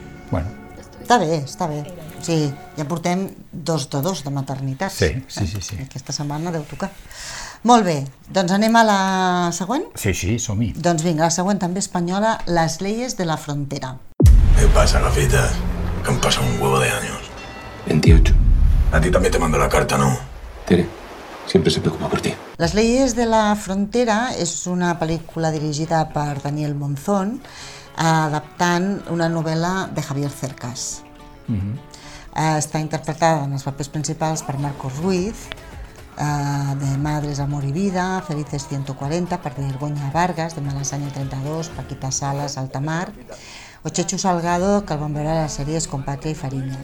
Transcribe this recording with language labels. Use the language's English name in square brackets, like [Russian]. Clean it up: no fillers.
[Catalan] Bueno. Està bé, està bé. Sí, ja portem 2 de 2 de maternitat. Sí, sí, sí, sí. Aquesta setmana deu tocar. Molt bé, doncs anem a la següent? Sí, sí, som-hi. Doncs vinga, la següent també espanyola, Les leyes de la frontera. [Spanish] ¿Qué pasa, gafitas? Que han pasado un huevo de años. 28. A ti también te mando la carta, ¿no? Tere, siempre se preocupa por ti. [Catalan] Les leyes de la frontera és una pel·lícula dirigida per Daniel Monzón, adaptant una novel·la de Javier Cercas. Està interpretada en els papers principals per Marcos Ruiz, de Madres, Amor y Vida, Felices 140, per Vergüenza Vargas, de Malasaña 32, Paquita Salas, Altamar, o Chechu Salgado, que el van veure a les sèries Compatria i Farinha.